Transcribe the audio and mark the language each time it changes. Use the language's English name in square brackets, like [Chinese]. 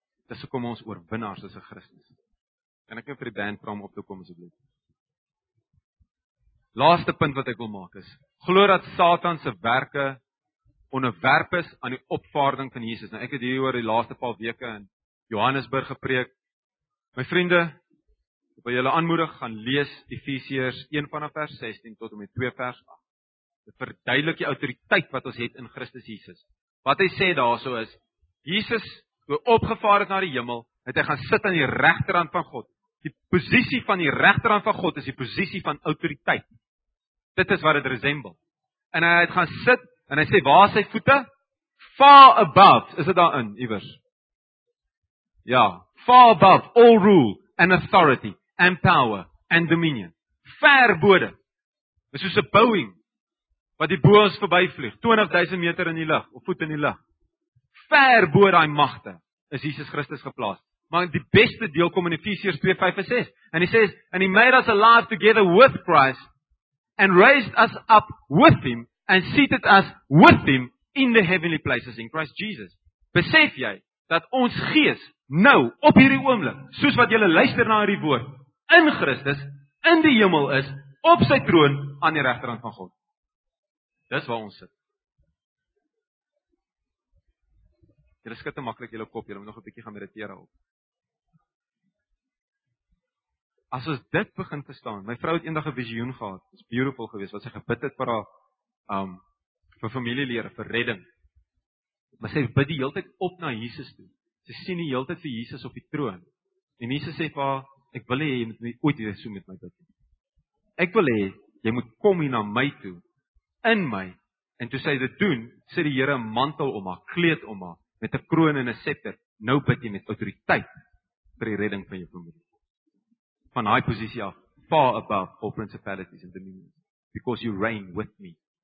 [Afrikaans] Dis hoekom ons oorwinnaars is in Christus. Kan ek nou vir die band vra om op te kom asseblief? Laaste punt wat ek wil maak is, glo dat Satan se werke onderwerp is aan die opvaarding van Jesus. Nou ek het hier oor die laaste paar weke in Johannesburg gepreek. My vriende, ek wil julle aanmoedig gaan lees Efesiërs 1 vanaf vers 16 tot en met 2 vers 8. Dit verduidelik die autoriteit wat ons het in Christus Jesus. Wat hy sê daarso is, Jesus, toe opgevaar het na die hemel, het hy gaan sit aan die regterhand van God. Die posisie van die regterhand van God is die posisie van autoriteit. Dit is wat het resembel. En hy het gaan sit en hy sê, waar sy voete? [English] Far above, [Afrikaans] is dit daarin, iewers? [English] Ja, far above all rule and authority and power and dominion. [Afrikaans] Ver bo dit. Is soos 'n Boeing, wat die bo ons verby vlieg, 20,000 meter in die lug, of voet in die lug. Ver bo daai magte, is Jesus Christus geplaas. Maar die beste deel kom in Efesiërs 2:5-6, en hy sê, [English] and he made us alive together with Christ, and raised us up with him, and seated us with him in the heavenly places in Christ Jesus. [Afrikaans] Besef jy, dat ons gees nou, op hierdie oomblik, soos wat julle luister na hierdie woord, in Christus, in die hemel is, op sy troon, aan die regterhand van God. Dis waar ons sit. Julle skud te maklik julle kop, julle moet nog 'n bietjie gaan mediteer op. As ons dit begin te staan, my vrou het eendag 'n visioen gehad, is beautiful geweest, wat sy gebid het vir haar, vir familielede, vir redding. Maar sy bid die hele tyd op na Jesus toe. Sy sien die hele tyd vir Jesus op die troon. En Jesus sê vir haar, ek wil hê jy moet ooit weer so met my bid. Ek wil hê jy moet kom hier na my toe, in my. En toe sy dit doen, sê die Here 'n mantel om haar, kleed om haar, met 'n kroon en 'n scepter. Nou bid jy met autoriteit vir die redding van jou familie. Van daai posisie af, [English] far above all principalities and dominions, because you reign with me.